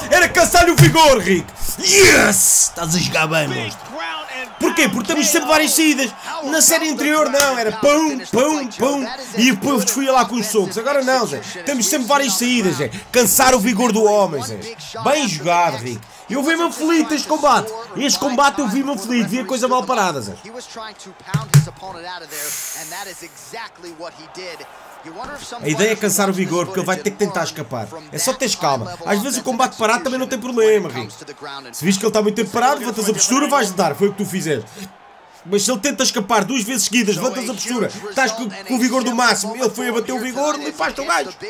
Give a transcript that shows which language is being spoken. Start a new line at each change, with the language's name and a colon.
Portuguese: Era caçar-lhe o vigor, Rick! Yes! Estás a jogar bem, monstro! Porquê? Porque temos sempre várias saídas! Na série anterior não, era pão, pão, pão! E depois fui lá com os socos! Agora não, Zé! Temos sempre várias saídas, Zé! Cansar o vigor do homem, Zé! Bem jogado, Rick! Eu vi-me aflito este combate. Este combate eu vi-me aflito. Vi a coisa mal parada, Zé.
English: He was trying to pound his opponent out of there, and that is exactly what he did.
Portuguese: A ideia é cansar o vigor, porque ele vai ter que tentar escapar. É só teres calma. Às vezes o combate parado também não tem problema, Rui. Se viste que ele está muito tempo parado, levantas a postura, vais dar. Foi o que tu fizeste. Mas se ele tenta escapar duas vezes seguidas, levantas a postura, estás com o vigor do máximo, ele foi a bater o vigor, limpaste o gajo.